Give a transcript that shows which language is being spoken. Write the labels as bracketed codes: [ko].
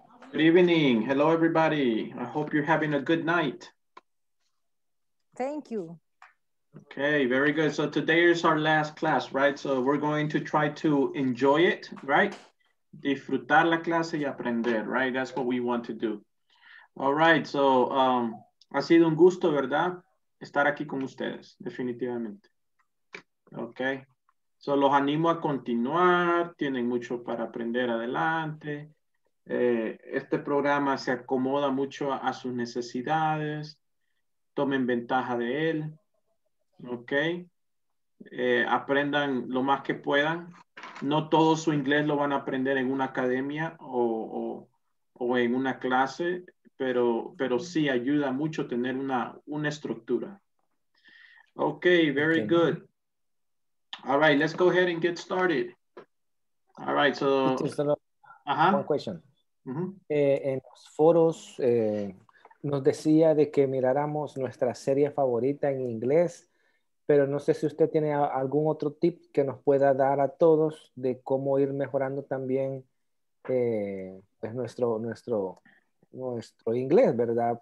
[en] Good evening. Hello, everybody. I hope you're having a good night. Thank you. Okay, very good. So today is our last class, right? So we're going to try to enjoy it, right? [es] Disfrutar la clase y aprender, [en] right? That's what we want to do. All right, so [es] ha sido un gusto, ¿verdad? Estar aquí con ustedes, definitivamente. Okay. So los animo a continuar. Tienen mucho para aprender adelante. Este programa se acomoda mucho a sus necesidades, tomen ventaja de él, ok, aprendan lo más que puedan, no todo su inglés lo van a aprender en una academia o en una clase, pero sí ayuda mucho tener una estructura. [en] Ok, very okay. Good. All right, let's go ahead and get started. All right, so... One question. Uh-huh. [es] En los foros nos decía de que miráramos nuestra serie favorita en inglés, pero no sé si usted tiene algún otro tip que nos pueda dar a todos de cómo ir mejorando también pues nuestro inglés, ¿verdad?